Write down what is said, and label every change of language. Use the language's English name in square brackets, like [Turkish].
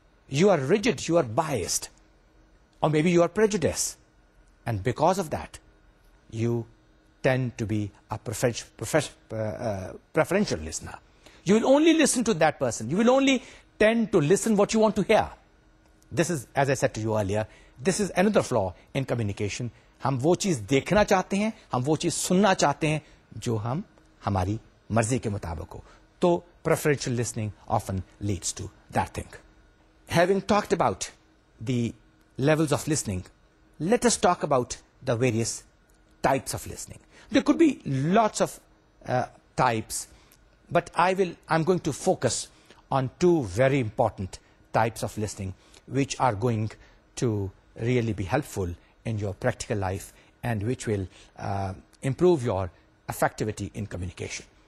[English] You are rigid, you are biased, or maybe you are prejudiced, and because of that you tend to be a preferential listener. You will only listen to that person, you will only tend to listen what you want to hear. This is, as I said to you earlier, this is another flaw in communication. [Urdu] ہم وہ چیز دیکھنا چاہتے ہیں, ہم وہ چیز سننا چاہتے ہیں جو ہم ہماری مرضی کے مطابق ہو. تو [English] preferential listening often leads to that thing. having talked about the levels of listening, let us talk about the various types of listening. There could be lots of types, but I'm going to focus on two very important types of listening which are going to really be helpful in your practical life and which will improve your effectivity in communication.